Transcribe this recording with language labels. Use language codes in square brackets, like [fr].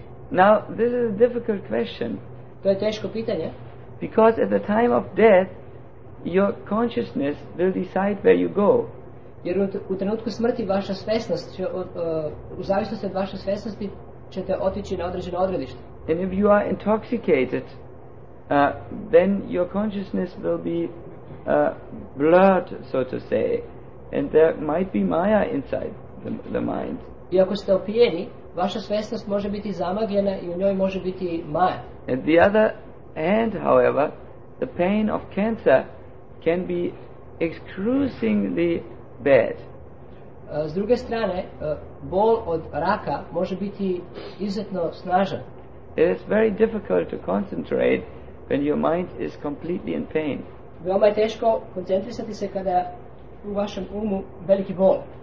[en] Now this is a difficult question. [sr] To je teško pitanje. [en] Because at the time of death your consciousness will decide where you go. [sr] Jer u trenutku smrti vaša svjesnost će u zavisnosti od vaše svjesnosti ćete otići na određeno odredište. [en] And if you are intoxicated then your consciousness will be blurred, so to say, and there might be Maya inside the mind. [sr] I ako ste opijeni, vaša svjesnost može biti zamagljena i u njoj može biti Maya. [en] At the other hand, however, the pain of cancer can be excruciatingly bad. [sr] S druge strane, bol od raka može biti izuzetno snažan. [en] It is very difficult to concentrate when your mind is completely in pain. [sr] Veoma je teško koncentrisati se kada u vašem umu veliki bol.